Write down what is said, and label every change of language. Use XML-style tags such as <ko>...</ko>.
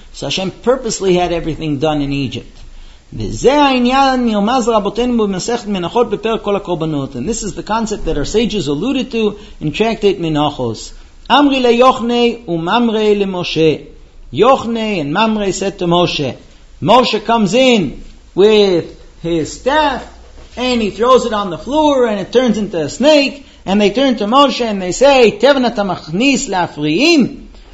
<en>So Hashem purposely had everything done in Egypt.</en> <he>וזה העניין נרמז רבותינו במסכת מנחות בפרק כל הקורבנות.</he> <en>And this is the concept that our sages alluded to in tractate Menachos.</en> <arc>אמרי ליוחנה וממרי למשה.</arc> <en>Yochne and Mamre said to Moshe. Moshe comes in with his staff and he throws it on the floor and it turns into a snake, and they turn to Moshe and they say,</en> <arc>Tevna tamachnis lafriim.</arc>